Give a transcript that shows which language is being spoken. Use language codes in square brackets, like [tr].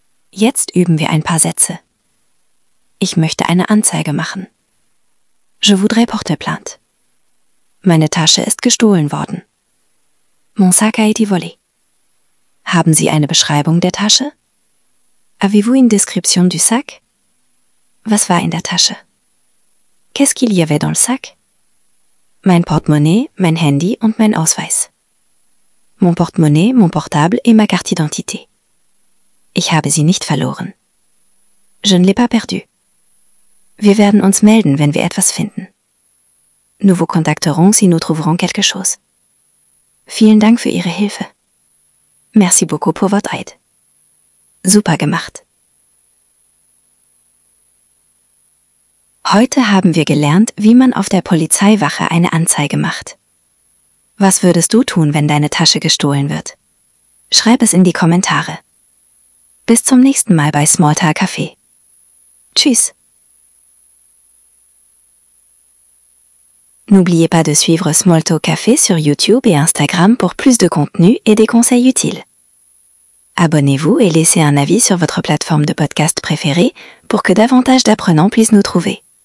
[de] Jetzt üben wir ein paar Sätze. Ich möchte eine Anzeige machen. [fr] Je voudrais porter plainte. [de] Meine Tasche ist gestohlen worden. [fr] Mon sac a été volé. [de] Haben Sie eine Beschreibung der Tasche? [fr] Avez-vous une description du sac? [de] Was war in der Tasche? [fr] Qu'est-ce qu'il y avait dans le sac? [de] Mein Portemonnaie, mein Handy und mein Ausweis. [fr] Mon portemonnaie, mon portable et ma carte d'identité. [de] Ich habe sie nicht verloren. [fr] Je ne l'ai pas perdu. [de] Wir werden uns melden, wenn wir etwas finden. [fr] Nous vous contacterons si nous trouverons quelque chose. [de] Vielen Dank für Ihre Hilfe. [fr] Merci beaucoup pour votre aide. [de] Super gemacht. Heute haben wir gelernt, wie man auf der Polizeiwache eine Anzeige macht. Was würdest du tun, wenn deine Tasche gestohlen wird? Schreib es in die Kommentare. Bis zum nächsten Mal bei Smalltalk Café. Tschüss. [fr] N'oubliez pas de suivre Smalltalk Café sur YouTube et Instagram pour plus de contenu et des conseils utiles. Abonnez-vous et laissez un avis sur votre plateforme de podcast préférée pour que davantage d'apprenants puissent nous trouver.